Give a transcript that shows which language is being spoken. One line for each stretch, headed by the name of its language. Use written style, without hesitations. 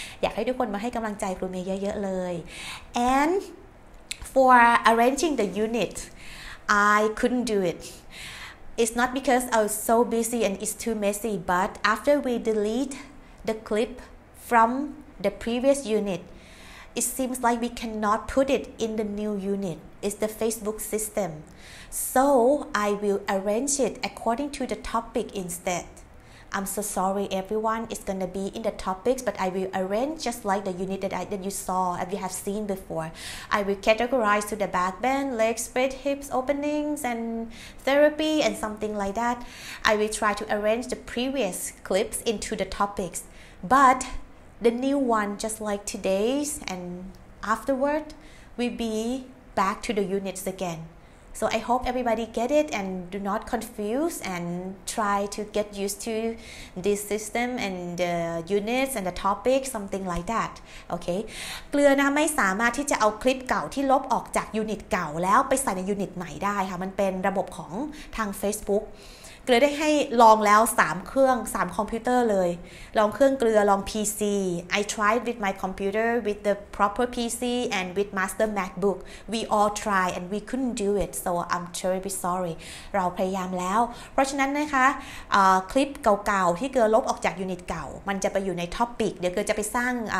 Thai: อยากให้ทุกคนมาให้กำลังใจครูเมย์เยอะๆเลย
English: and for arranging the unit I couldn't do itIt's not because I was so busy and it's too messy but after we delete the clip from the previous unitIt seems like we cannot put it in the new unit. It's the Facebook system. So I will arrange it according to the topic instead. I'm so sorry, everyone. It's going to be in the topics, but I will arrange just like the unit that you saw and you have seen before. I will categorize to the back bend, leg spread, hips openings, and therapy and something like that. I will try to arrange the previous clips into the topics. ButThe new one, just like today's, and afterward, we'll be back to the units again. So I hope everybody get it and do not confuse and try to get used to this system and the units and the topic something like that. Okay.
Thai: เกลือนะไม่สามารถที่จะเอาคลิปเก่าที่ลบออกจากยูนิตเก่าแล้วไปใส่ในยูนิตใหม่ได้ค่ะมันเป็นระบบของทาง Facebook. เกลือได้ให้ลองแล้ว3เครื่อง3คอมพิวเตอร์เลยลองเครื่องเกลือลอง PC
English: I tried with my computer with the proper PC and with master MacBook we all try and we couldn't do it so I'm terribly sorry
Thai: เราพยายามแล้วเพราะฉะนั้นนะคะคลิปเก่าๆที่เกลือลบออกจากยูนิตเก่ามันจะไปอยู่ในท็อปิกเดี๋ยวเกลือจะไปสร้าง